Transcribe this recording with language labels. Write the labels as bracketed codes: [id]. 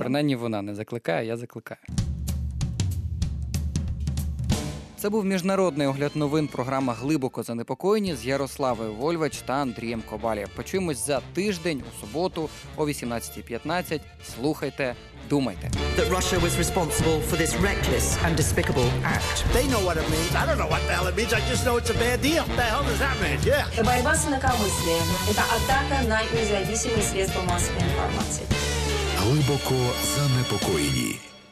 [uk] Принаймні вона не закликає, я закликаю. Це був міжнародний огляд новин програма «Глибоко занепокоєні» з Ярославою Вольвач та Андрієм Кобалєв. Почуємось за тиждень у суботу о 18:15. Слухайте, думайте. [en] That Russia was responsible for this reckless and despicable act. They know what it means. I don't know what the hell it means. I just know it's a bad deal. What the hell does that mean? [ru] Yeah. Борьба с инакомыслием. Это атака на независимые средства массовой информации. Глибоко занепокоєні.